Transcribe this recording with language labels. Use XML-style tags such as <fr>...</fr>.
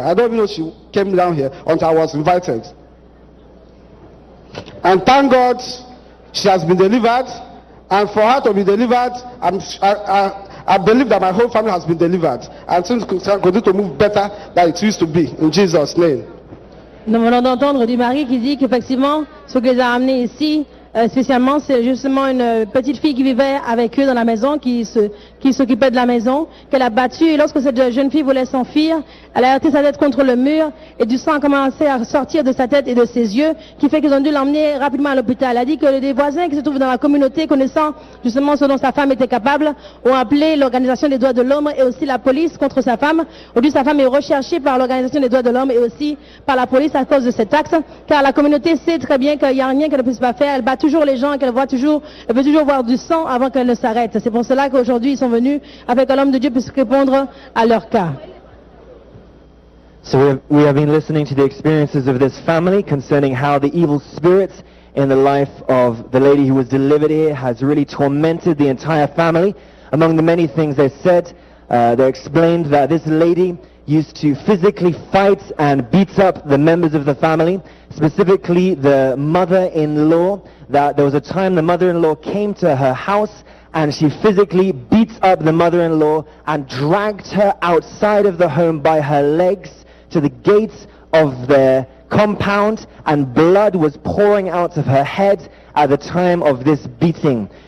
<en>I don't even know she came down here until I was invited. And thank God she has been delivered. And for her to be delivered, I believe that my whole family has been delivered. And things continue to move better than it used to be, in Jesus' name.</en> <fr>Nous venons d'entendre du mari qui dit qu'effectivement, ce qu'ils ont amené ici, spécialement, c'est justement une petite fille qui vivait avec eux dans la maison, qui s'occupait de la maison, qu'elle a battue. Et lorsque cette jeune fille voulait s'enfuir, elle a heurté sa tête contre le mur et du sang a commencé à sortir de sa tête et de ses yeux, qui fait qu'ils ont dû l'emmener rapidement à l'hôpital. Elle a dit que des voisins qui se trouvent dans la communauté, connaissant justement ce dont sa femme était capable, ont appelé l'Organisation des droits de l'homme et aussi la police contre sa femme. Aujourd'hui, sa femme est recherchée par l'Organisation des droits de l'homme et aussi par la police à cause de cet acte, car la communauté sait très bien qu'il n'y a rien qu'elle ne puisse pas faire. Elle bat toujours les gens, qu'elle voit toujours, elle veut toujours voir du sang avant qu'elle ne s'arrête. C'est pour cela qu'aujourd'hui, ils sont venus avec un homme de Dieu puisse répondre à leur cas.</fr> <en>So we have been listening to the experiences of this family concerning how the evil spirits in the life of the lady who was delivered here has really tormented the entire family. Among the many things they said, they explained that this lady used to physically fight and beat up the members of the family, specifically the mother-in-law, that there was a time the mother-in-law came to her house and she physically beat up the mother-in-law and dragged her outside of the home by her legs to the gates of their compound, and blood was pouring out of her head at the time of this beating.</en>